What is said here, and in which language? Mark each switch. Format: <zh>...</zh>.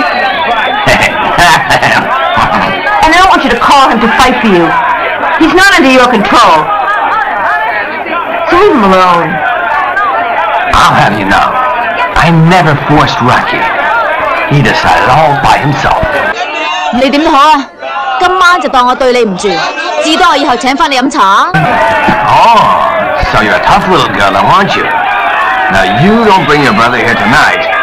<en>And I don't want you to call him to fight for you. He's not under your control. So leave him alone. I'll have you know, I never forced Rocky. He decided all by himself.</en> <zh>你怎么好啊? 今晚就当我对你不住, 至多我以后请你喝茶。</zh> <en>Oh, so you're a tough little girl, aren't you? Now you don't bring your brother here tonight.</en>